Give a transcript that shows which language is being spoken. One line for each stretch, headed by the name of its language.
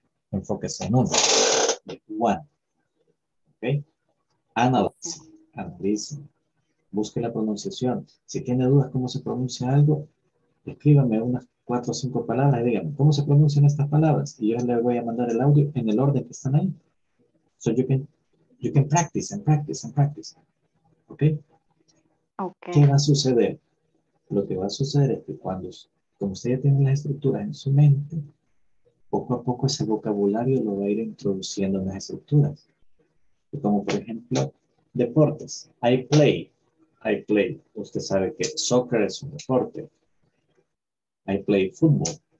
Spanish: Enfóquese en uno.
English: One.
Spanish: Okay. Analice. Busque la pronunciación. Si tiene dudas cómo se pronuncia algo, escríbame unas 4 o 5 palabras y dígame cómo se pronuncian estas palabras. Y yo le voy a mandar el audio en el orden que están ahí.
English: So you can practice and practice and practice. Okay? Okay.
Spanish: ¿Qué va a suceder? Lo que va a suceder es que cuando, como usted ya tiene las estructuras en su mente, poco a poco ese vocabulario lo va a ir introduciendo en las estructuras. Como por ejemplo, deportes.
English: I play.
Spanish: Usted sabe que soccer es un deporte.
English: I play football.